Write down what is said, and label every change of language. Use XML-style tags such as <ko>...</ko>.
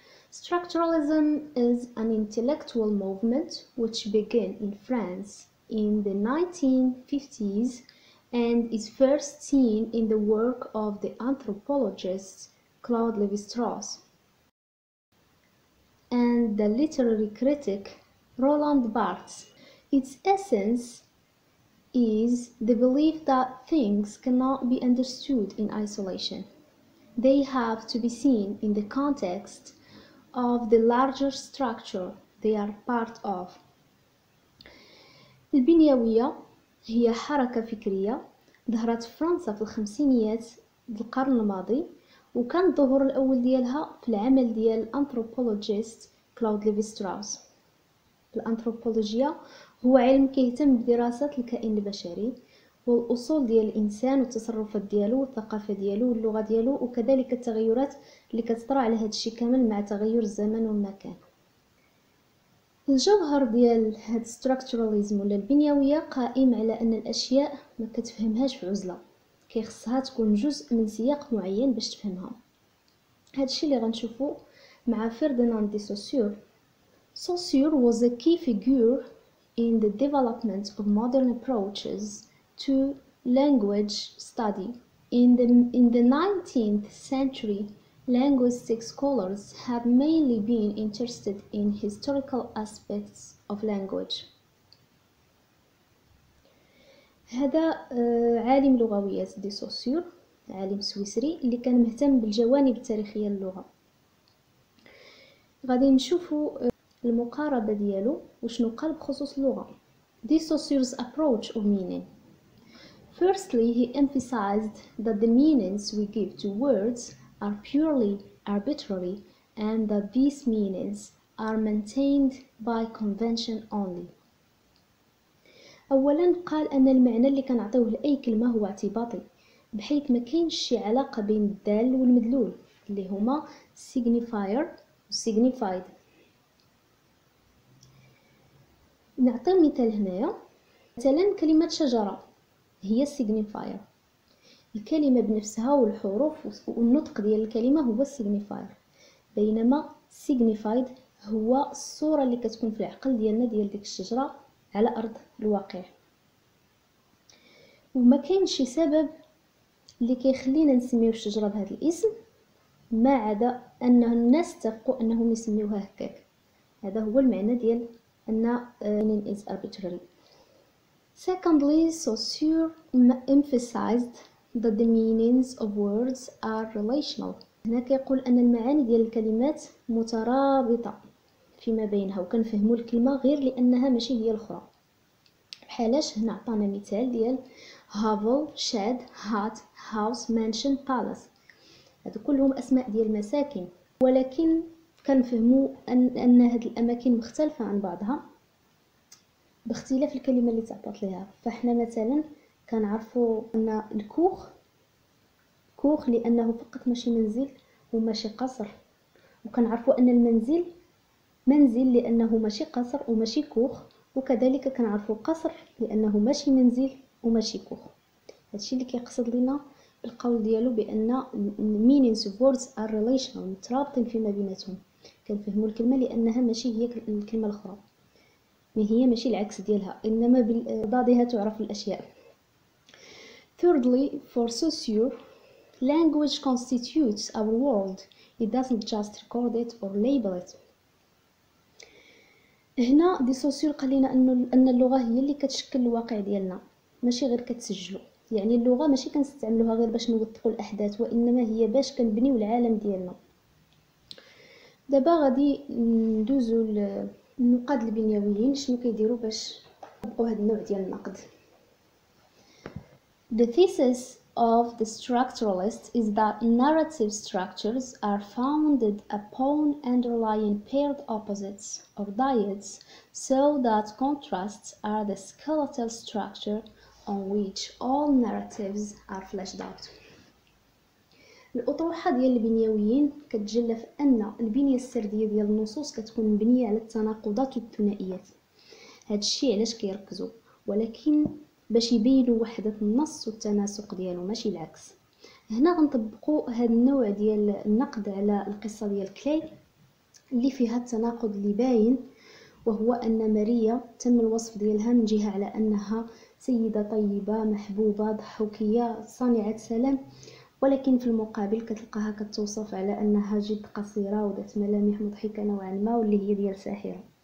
<en>Structuralism is an intellectual movement which began in France in the 1950s and is first seen in the work of the anthropologist Claude Lévi-Strauss and the literary critic Roland Barthes. Its essence is the belief that things cannot be understood in isolation. They have to be seen in the context of the larger structure they are part of.</en> <ar>البنيوية هي حركة فكرية ظهرت في فرنسا في الخمسينيات القرن الماضي، وكان الظهور الأول ديالها في العمل ديال الأنثروبولوجيست كلود ليفي-ستراوس. الأنثروبولوجيا هو علم كيهتم بدراسة الكائن البشري والأصول ديال الإنسان والتصرفات ديالو والثقافة ديالو واللغة ديالو، وكذلك التغيرات اللي كتطرى على هاد الشيء كامل مع تغير الزمن والمكان. الجوهر ديال هاد structuralism ولا البنيوية قائم على أن الأشياء ما كتفهمهاش في عزلة، كيخصها تكون جزء من سياق معين باش تفهمها. هاد الشيء اللي غنشوفو مع فيرديناند دي سوسيور.</ar> <en>Saussure was a key figure in the development of modern approaches to language study. In the 19th century, linguistic scholars have mainly been interested in historical aspects of language.</en> <ar>هذا عالم لغوي دي سوسيور، عالم سويسري اللي كان مهتم بالجوانب التاريخية للغة. غادي نشوفوا المقاربة ديالو وشنو قال بخصوص اللغة.</ar> <en>De Saussure's approach of meaning. Firstly, he emphasized that the meanings we give to words are purely arbitrary and that these meanings are maintained by convention only.</en> <ar>أولا قال أن المعنى اللي كنعطيوه لأي كلمة هو اعتباطي، بحيث ما كاينش شي علاقة بين الدال والمدلول اللي هما signifier و signified. نعطي مثال هنايا. مثلا كلمة شجرة هي signifier، الكلمة بنفسها والحروف والنطق ديال الكلمة هو signifier، بينما signified هو الصورة اللي كتكون في العقل ديالنا ديال ديك الشجرة على أرض الواقع. وما كاين شي سبب اللي كيخلينا نسميو الشجرة بهذا الاسم ما عدا أن الناس اتفقوا أنهم يسميوها هكاك. هذا هو المعنى ديال أن</ar> <en>meaning is arbitrary. Secondly, Saussure emphasized that the meanings of words are relational.</en> <ar>هنا كيقول أن المعاني ديال الكلمات مترابطة فيما بينها، وكنفهموا الكلمة غير لأنها ماشي هي الأخرى. بحالاش هنا عطانا مثال ديال</ar> <en>hovel, shed, hut, house, mansion, palace.</en> <ar>هادو كلهم أسماء ديال المساكن، ولكن كنفهموا أن هاد الأماكن مختلفة عن بعضها باختلاف الكلمة اللي تعطت لها. فاحنا مثلا كنعرفوا أن الكوخ كوخ لأنه فقط ماشي منزل وماشي قصر، وكنعرفوا أن المنزل منزل لأنه ماشي قصر وماشي كوخ، وكذلك كنعرفوا قصر لأنه ماشي منزل وماشي كوخ. هادشي اللي كيقصد لنا القول ديالو بأن</ar> <en>meanings of words are relational،</en> <ar>مترابطين فيما بيناتهم. كنفهموا الكلمة لأنها ماشي هي الكلمة الأخرى، ما هي ماشي العكس ديالها، إنما بضادها تعرف الأشياء.</ar> <en>Thirdly, for Saussure, language constitutes our world. It doesn't just record it or label it.</en> <ar>هنا دي سوسيور قال لنا أن اللغة هي اللي كتشكل الواقع ديالنا، ماشي غير كتسجلو. يعني اللغة ماشي كنستعملوها غير باش نوثقوا الأحداث، وإنما هي باش كنبنيو العالم ديالنا. دابا غادي ندوزو للنقاد البنيويين شنو كيديروا باش يطبقوا هذا النوع ديال النقد.</ar> <en>The thesis of the structuralists is that narrative structures are founded upon underlying paired opposites or dyads, so that contrasts are the skeletal structure on which all narratives are fleshed out.</en> <ar>الأطروحة ديال البنيويين كتجلى في أن البنية السردية ديال النصوص كتكون مبنية على التناقضات والثنائيات. هذا الشيء علاش كيركزوا، ولكن باش يبينوا وحدة النص والتناسق ديالو ماشي العكس. هنا غنطبقوا هذا النوع ديال النقد على القصة ديال كلاي اللي فيها التناقض اللي باين، وهو أن ماريا تم الوصف ديالها من جهة على أنها سيدة طيبة محبوبة ضحوكية صانعة سلام، ولكن في المقابل كتلقاها كتوصف على أنها جد قصيرة وذات ملامح مضحكة نوعا ما واللي هي ديال ساحرة.</ar>